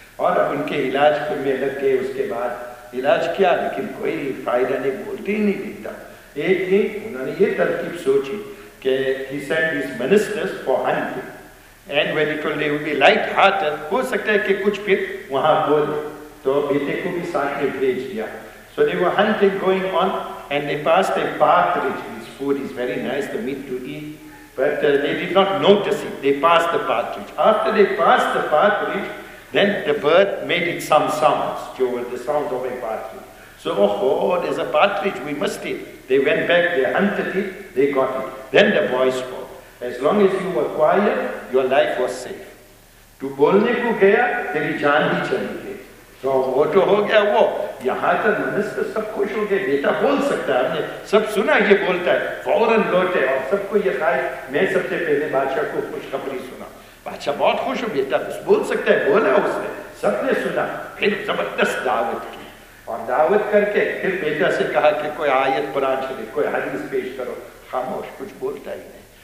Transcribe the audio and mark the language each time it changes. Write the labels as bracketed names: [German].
[Hindi] और अब उनके इलाज पर मैं लग गए, उसके बाद इलाज किया, लेकिन कोई फायदा नहीं, बोलते ही नहीं दिखता। एक दिन उन्होंने ये तरकीब सोची कि [English] he send his ministers for hunting, and when it will be light hearted, [Hindi] हो सकता है कि कुछ फिर वहाँ बोले, तो बेटे को भी साथ में भेज दिया। [English] So they were hunting going on, and they passed a partridge, food is very nice, the meat to eat, but they did not notice it. They passed the partridge. After they passed the partridge, then the bird made it some sounds, the sounds of a partridge. So, there's a partridge, we must eat. They went back, they hunted it, they got it. Then the boy spoke, as long as you were quiet, your life was safe. [Hindi] To bolne ko gaya, teri jaan bhi chali gayi. तो वो तो हो गया, वो यहाँ तक minister सब खुश हो गए, बेटा बोल सकता है, हमने सब सुना ये बोलता है, फौरन लौटे और सबको ये कहा, मैं सबसे पहले बादशाह को खुशखबरी सुना। बादशाह बहुत खुश हो, बेटा कुछ बोल सकता है, बोला उसने, सबने सुना, फिर जबरदस्त दावत की, और दावत करके फिर बेटा से कहा कि कोई आयत पुराण छे, कोई हदीस पेश करो। खामोश, कुछ बोलता ही नहीं,